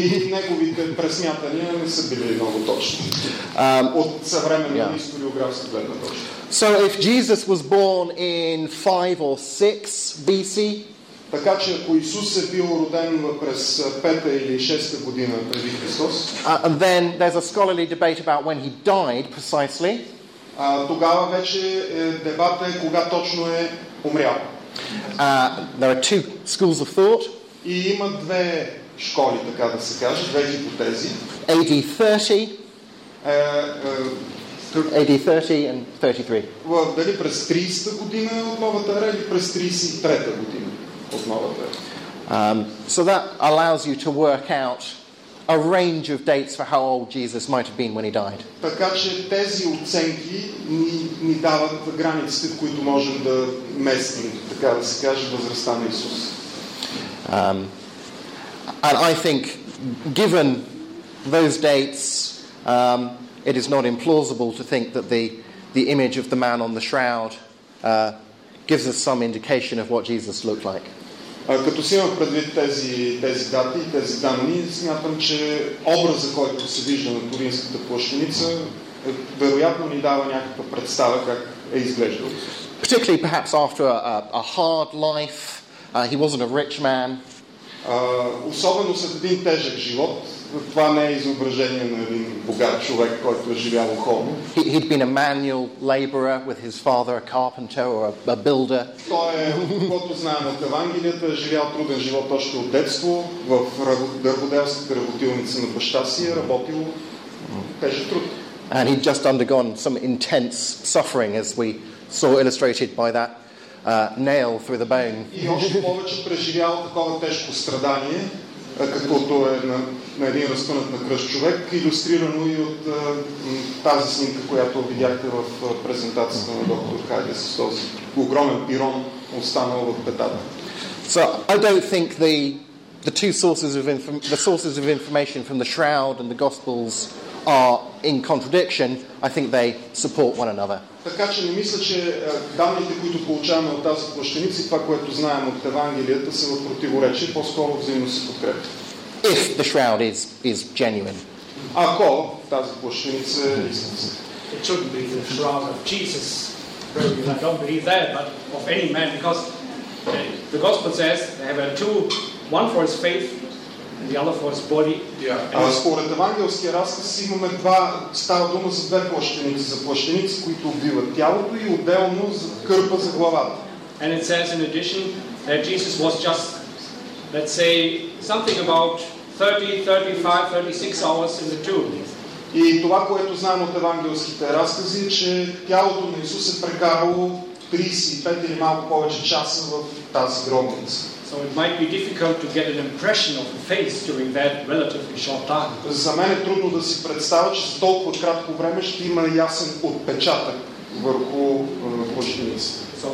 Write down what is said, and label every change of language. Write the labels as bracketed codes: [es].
[bg] Неговите пресмятания не са били много точни. От съвременна историографска гледна точка. [en] So if Jesus was born in 5 or 6 BC, [bg] така че ако Исус е бил роден през 5-та или 6-та година преди Христос, [en] and then there's a scholarly debate about when he died precisely. [bg] Тогава вече дебатът е кога точно е умрял. [en] There are two schools of thought. [bg] И има две школи, така да се каже, две хипотези. [en] AD 30 and 33. [bg] Дали през 30-та година от новата ера или през 33-та година от новата ера. [en] So that allows you to work out a range of dates for how old Jesus might have been when he died. [bg] Така че тези оценки ни дават границите, в които можем да местим, така да се каже, възрастта на Исус. [en] And I think given those dates it is not implausible to think that the image of the man on the shroud gives us some indication of what Jesus looked like. [bg] Като си имам предвид тези дати и тези данни, смятам, че образа, който се вижда на Туринската плащаница, вероятно ни дава някаква представа как е изглеждал. [en] Particularly perhaps after a hard life, he wasn't a rich man. [bg] Особено след един тежък живот, това не е изображение на един богат човек, който е живял холно. [en] He'd been a manual laborer with his father, a carpenter or a builder. [bg] Той е, каквото знаем от Евангелията, е живял труден живот още от детство, в дърводелската работилница на баща си е работил тежък труд. [en] And he'd just undergone some intense suffering, as we saw illustrated by that nail through the bone. [bg] И още повече преживял такова тежко страдание, каквото е на един разпънат на кръст човек, илюстрирано и от тази снимка, която видяхте в презентацията на доктор Хайде, с този огромен пирон, останал в петата. [en] So I don't think the sources of information from the shroud and the gospels are in contradiction. I think they support one another. [bg] Така че не мисля, че данните, които получаваме от тази плащаница и това, което знаем от Евангелията, са в противоречие, по-скоро взаимно се подкрепят. [en] If the shroud is genuine. [bg] Ако тази плащаница е истинска. [en] It shouldn't be the shroud of Jesus. Really, I don't believe that, but of any man, because the gospel says they have two, one for his faith and the other for his body. Yeah. [bg] Според евангелския разказ имаме два, става дума за две плащеници, за плащеници, които убиват тялото и отделно за кърпа за главата. [en] And it says in addition that Jesus was just, let's say, something about 30, 35, 36 hours in the tomb. [bg] И това, което знаем от евангелските разкази, е, че тялото на Исус е прекарало 35 или малко повече часа в тази гробница. [en] So it might be difficult to get an impression of the face during that relatively short time. [bg] За мен е трудно да си представя, че за толкова кратко време ще има ясен отпечатък върху плащаницата.